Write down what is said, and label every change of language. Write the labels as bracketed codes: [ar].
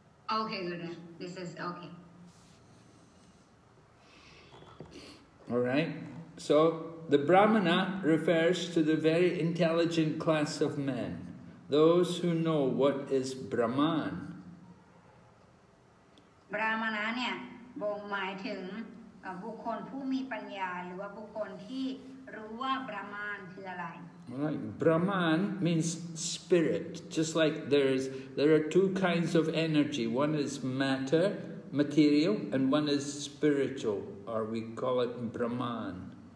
[en] Okay, Guru. This is okay. All right. So the Brahmana refers to the very intelligent class of men, those who know what is Brahman. [th] Brahmana เนี่ย บ่งหมายถึงบุคคลผู้มีปัญญาหรือว่าบุคคลที่รู้ว่าบรามานคืออะไร [en] Right. Brahman means spirit, just like there are two kinds of energy. One is matter, material, and one is spiritual, or we call it Brahman.